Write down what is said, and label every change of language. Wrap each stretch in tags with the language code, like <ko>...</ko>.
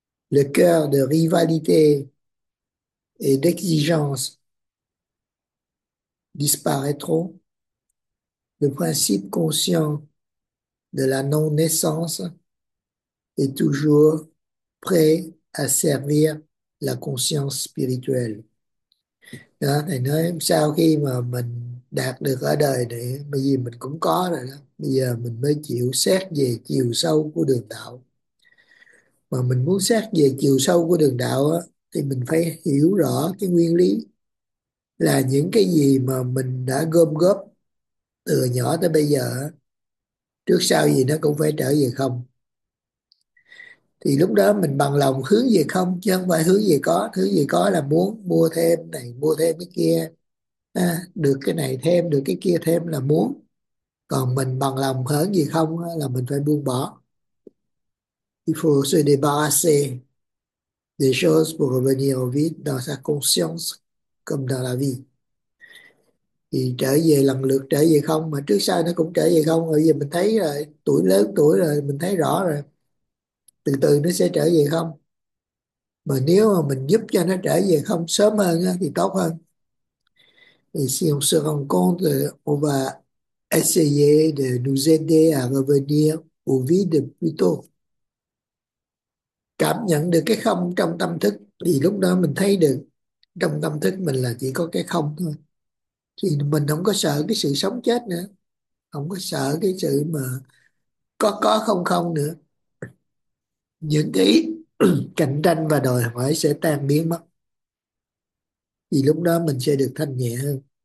<fr>Le cœur de rivalité et d'exigence disparaîtront, le principe conscient de la non-naissance est toujours prêt à servir la conscience spirituelle.</fr> <vi>Đó, thầy nói sau khi mà mình đạt được ở đời này, bây giờ mình cũng có rồi đó, bây giờ mình mới chịu xét về chiều sâu của đường đạo. Mà mình muốn xét về chiều sâu của đường đạo á, thì mình phải hiểu rõ cái nguyên lý là những cái gì mà mình đã gom góp từ nhỏ tới bây giờ, trước sau gì nó cũng phải trở về không. Thì lúc đó mình bằng lòng hướng về không chứ không phải hướng về có. Hướng về có là muốn mua thêm này, mua thêm cái kia, à, được cái này thêm, được cái kia thêm là muốn. Còn mình bằng lòng hướng về không là mình phải buông bỏ.</vi> <fr>Il faut se débarrasser des choses pour revenir au vide dans sa conscience comme dans la vie.</fr> <vi>Thì trở về lần lượt trở về không, mà trước sau nó cũng trở về không. Bây giờ mình thấy rồi, tuổi lớn tuổi rồi, mình thấy rõ rồi, từ từ nó sẽ trở về không. Mà nếu mà mình giúp cho nó trở về không sớm hơn á, thì tốt hơn.</vi> <fr>Et si on se rend compte, on va essayer de nous aider à revenir au vide plus tôt.</fr> <vi>Cảm nhận được cái không trong tâm thức thì lúc đó mình thấy được trong tâm thức mình là chỉ có cái không thôi, thì mình không có sợ cái sự sống chết nữa, không có sợ cái sự mà có không không nữa. Những cái cạnh tranh và đòi hỏi sẽ tan biến mất, thì lúc đó mình sẽ được thanh nhẹ hơn.</vi>